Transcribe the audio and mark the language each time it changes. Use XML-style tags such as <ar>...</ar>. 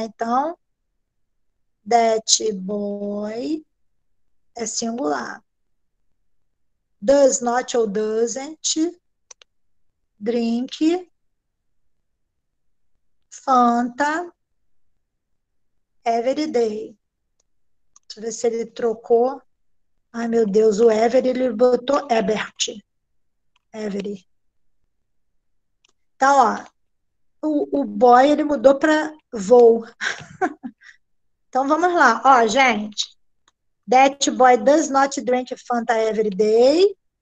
<pt>Então,</pt> <en>that boy</en> <pt>é singular.</pt> <en>Does not ou doesn't drink Fanta every day.</en> <pt>Deixa eu ver se ele trocou. Ai, meu Deus, o Every, ele botou Ebert. Every. Então, ó, o boy, ele mudou para vou. Então, vamos lá. Ó, gente.</pt> <en>That boy does not drink Fanta every day.</en>